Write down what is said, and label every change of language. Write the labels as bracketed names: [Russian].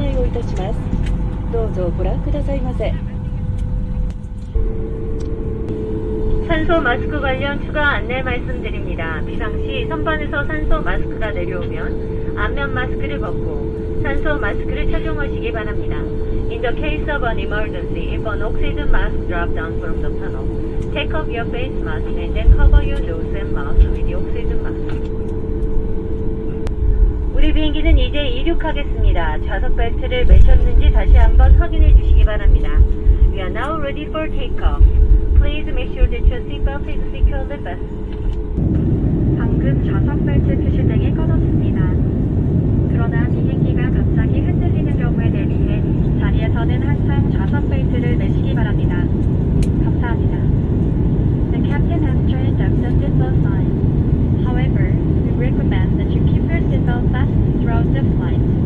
[Japanese] 本日もスカイチームメンバーコリアンエアにご搭乗くださいまして誠にありがとうございます。飛行中ご用の際はお近くの乗務員までご遠慮なくお知らせください。ただいまより安全に関するご案内をいたします。どうぞご覧くださいませ。 [Korean] 산소 마스크 관련 추가 안내 말씀드립니다. 비상 시 선반에서 산소 마스크가 내려오면 안면 마스크를 벗고 산소 마스크를 착용하시기 바랍니다. [English] In the case of an emergency, if an oxygen mask drops down from the tunnel, take off your face mask and then cover your nose and mouth with the oxygen mask. [Korean] 우리 비행기는 이제 이륙하겠습니다. 좌석 벨트를 매셨는지 다시 한번 확인해 주시기 바랍니다. [English] We are now ready for takeoff. Please make sure that your seatbelt is securely fastened. [Korean] 방금 좌석 벨트 표시 등이 꺼졌습니다. 그러나 비행기가 갑자기 흔들리는 경우에 대비해 자리에서는 항상 좌석 벨트를 매시기 바랍니다. 감사합니다. [English] The captain has trained accepted both sides. However, we recommend that you keep your seatbelt fastened throughout the flight.